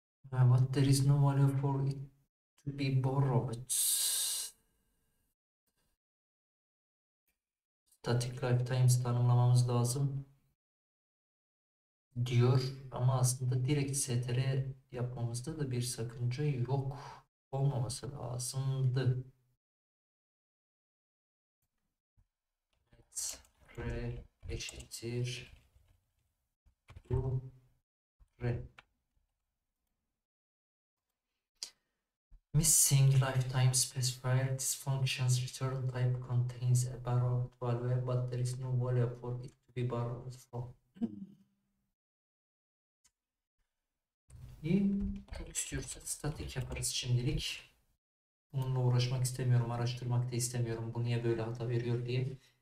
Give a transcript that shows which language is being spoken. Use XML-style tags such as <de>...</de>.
<en>What there is no value for it to be borrowed.</en> <tr>Static lifetimes tanımlamamız lazım. diyor ama aslında direkt STR yapmamızda da bir sakınca yok olmaması lazımdı. R eşittir bu R.</tr> <en>Missing lifetime specifier dysfunctions return type contains a borrowed value but there is no value for it to be borrowed from.</en> <tr>İyi. Çok istiyorsa statik yaparız şimdilik. Bununla uğraşmak istemiyorum, araştırmak da istemiyorum. Bu niye böyle hata veriyor diye.</tr>